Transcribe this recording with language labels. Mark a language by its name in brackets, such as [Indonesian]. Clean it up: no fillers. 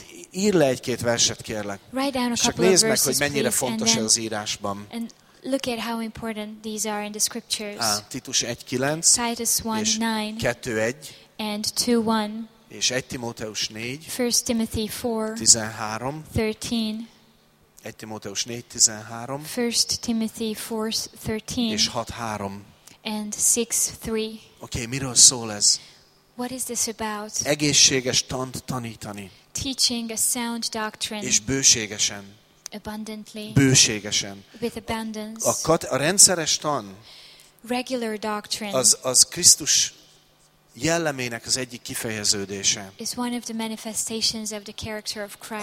[Hungarian] Ír le egy-két verset, kérlek, és csak nézd meg, hogy mennyire fontos ez az írásban. [English] Look at how important these are in the scriptures. [Hungarian] Titus 1:9, [English] Titus 1:9, [Hungarian] 2:1, [English] and 2:1, [Hungarian] és 1 Timóteus 4, [English] 1 Timothy 4, [Hungarian] 13, [English] 13, [Hungarian] 1 Timóteus 4, 13, [English] 1 Timothy 4, 13, [Hungarian] és 6:3, [English] and 6:3. [Hungarian] Okay, miről szól ez? [English] What is this about? [Hungarian] Egészséges tant tanítani. [English] Teaching a sound doctrine. [Hungarian] És bőségesen. [English] Abundantly, [Hungarian] bőségesen. [English] With abundance. [Hungarian] A rendszeres tan, [English] regular doctrine, [Hungarian] az Krisztus jellemének az egyik kifejeződése. [English] Is one of the manifestations of the character of Christ.